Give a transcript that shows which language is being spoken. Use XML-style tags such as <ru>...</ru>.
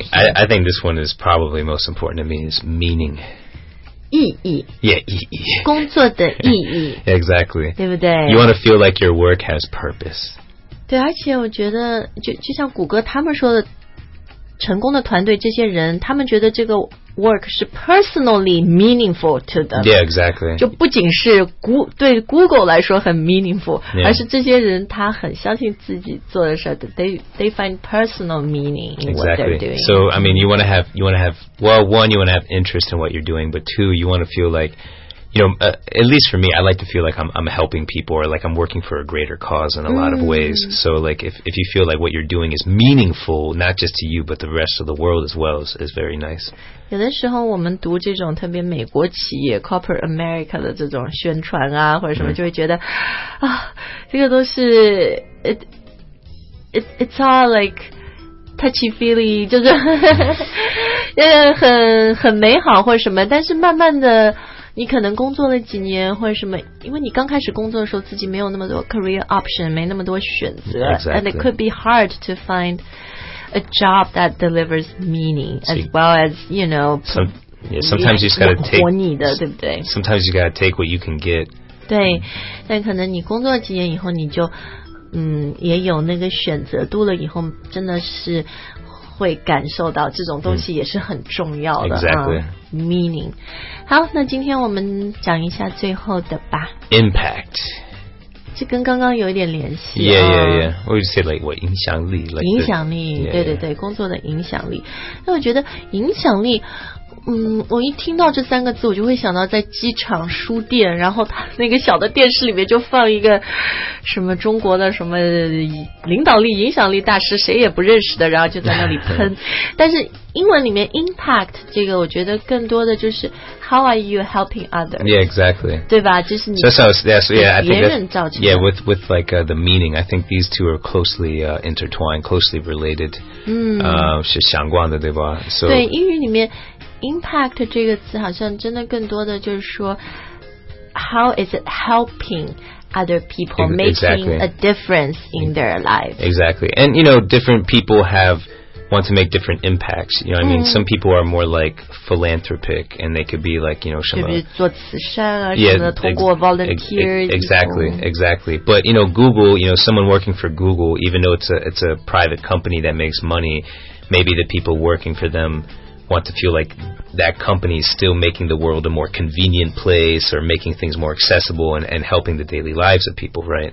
<en>I think this one is probably most important. It means meaning.</en> <zh>意义 Yeah, 意义工作的意义</zh> <en>Exactly.</en> <zh>对不对</zh> <en>You want to feel like your work has purpose.</en> <zh>对，而且我觉得就像谷歌他们说的，成功的团队这些人，他们觉得这个。</zh> <en>Work is personally meaningful to them. Yeah, exactly.</en> <zh>就不仅是对 Google 来说很 meaningful,</zh> <en>yeah.</en> <zh>而是这些人他很相信自己做的事</zh> <en>They find personal meaning in what they're doing. So, I mean, you want to have interest in what you're doing, but two, you want to feel like, you know, at least for me, I like to feel like I'm helping people or like I'm working for a greater cause in a lot of ways. So, like, if you feel like what you're doing is meaningful, not just to you, but the rest of the world as well, is very nice.</en> <zh>有的时候我们读这种特别美国企业</zh> <en>Corporate America</en> <zh>的这种宣传啊或者什么就会觉得啊这个都是</zh> <en>It's all like touchy feely</en> <zh>就是很美好或者什么但是慢慢的你可能工作了几年或者什么因为你刚开始工作的时候自己没有那么多</zh> <en>career option</en> <zh>没那么多选择、</zh> <en>exactly. And it could be hard to findA job that delivers meaning as well as, you know, sometimes you just gotta take,</en> <zh>活你的对不对</zh> <en>sometimes you gotta take what you can get.</en> <zh>对、但可能你工作几年以后你就也有那个选择度了以后真的是会感受到这种东西也是很重要的、</zh> <en>exactly. Meaning.</en> <zh>好那今天我们讲一下最后的吧</zh> <en>Impact.</en> <zh>这跟刚刚有一点联系、</zh> <en>Yeah. We would say like what 影响力 like</en> <zh>影响力 对对对 工作的影响力那我觉得影响力我一听到这三个字，我就会想到在机场书店，然后他那个小的电视里面就放一个什么中国的什么领导力、影响力大师，谁也不认识的，然后就在那里喷。但是英文里面 impact 这个，我觉得更多的就是</zh> <en>how are you helping others? Yeah, exactly.</en> <zh>对吧？就是你。</zh> <en>So, so, yeah, so, yeah, I think that, yeah, with like, the meaning, I think these two are closely, intertwined, closely related.</en> <zh>是相关的，对吧？So, 对，英语里面impact 这个词好像真的更多的就是说</zh> <en>how is it helping other people making、 exactly. a difference in their lives. Exactly. And you know, different people want to make different impacts. You know, I mean,、 mm. some people are more like philanthropic and they could be like, you know, 什么</en> <zh>就比如做慈善啊，什么的，通过 volunteer.</zh> <en>Exactly, exactly. But you know, Google, you know, someone working for Google, even though it's a private company that makes money, maybe the people working for themwant to feel like that company is still making the world a more convenient place or making things more accessible and helping the daily lives of people, right?</en>